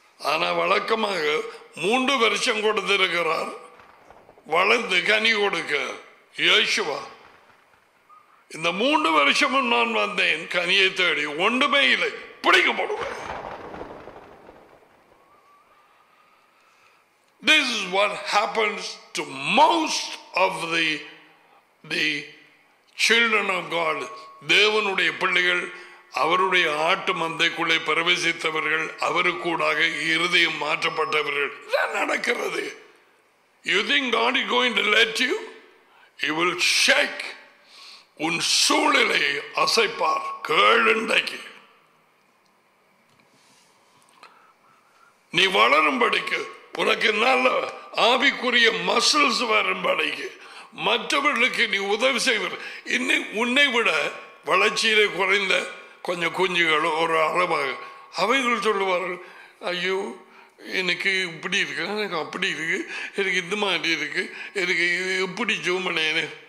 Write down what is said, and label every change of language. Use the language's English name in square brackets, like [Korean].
[Tamil] ஆனா வழக்கமாக 3 வருஷம் கொடுத்திருக்கிறார் வளர்ந்து கனி கொடுக்க. யேசுவா, இந்த 3 வருஷமும் நான் வந்தேன் கனியை தேடி, ஒன்றுமே இல்லை, பிடிக்க போடுவேன். [English] This is what happens to most of the children of God. [Tamil] தேவனுடைய பிள்ளைகள் அவருடைய ஆட்டு மந்தைக்குள்ளே பிரவேசித்தவர்கள், அவருக்கூடாக இருதயம் மாற்றப்பட்டவர்கள். இதான் நடக்கிறது. [English] You think God is going to let you? He will shake. [Tamil] உன் சூழலை அசைப்பார். கேளுண்டைக்கு நீ வளரும்படிக்கு, உனக்கு நல்ல ஆவிக்குரிய மசில்ஸ் வரும்படிக்கு, மற்றவர்களுக்கு நீ உதவி செய்வார். இன்னும் உன்னை விட வளர்ச்சியிலே குறைந்த கொஞ்சம் குஞ்சுகள் ஒரு அளவாக அவைகள் சொல்லுவார்கள், ஐயோ எனக்கு இப்படி இருக்கு, எனக்கு அப்படி இருக்கு, எனக்கு இந்த மாதிரி இருக்கு, எனக்கு எப்படி ஜூமனேனு.